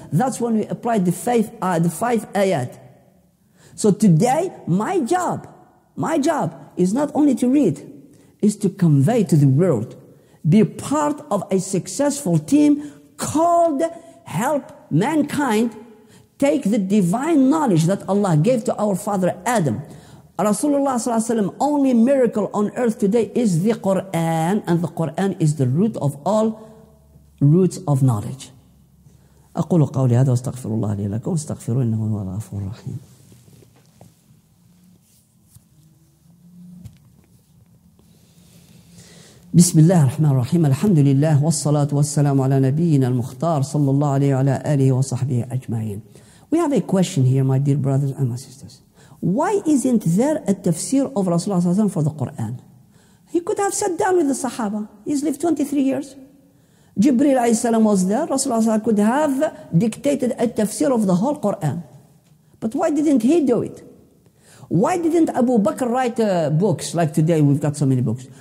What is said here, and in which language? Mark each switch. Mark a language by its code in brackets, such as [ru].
[en] That's when we applied the faith, the five ayat. So today, my job is not only to read, is to convey to the world, be part of a successful team called Help Mankind Take the Divine Knowledge that Allah gave to our father Adam. Rasulullah ﷺ, only miracle on earth today is the Qur'an, and the Qur'an is the root of all roots of knowledge. [ar] أقول قولي هذا واستغفر الله لي لكم واستغفروا إنه هو الغفور الرحيم. بسم الله الرحمن الرحيم الحمد لله والصلاة والسلام على نبينا المختار صلى الله عليه وعلى آله وصحبه أجمعين. [en] We have a question here, my dear brothers and my sisters. Why isn't there a tafsir of Rasulullah for the Quran? He could have sat down with the Sahaba. He's lived 23 years. Jibreel alayhi salam was there. Rasulullah could have dictated a tafsir of the whole Quran. But why didn't he do it? Why didn't Abu Bakr write books like today? We've got so many books.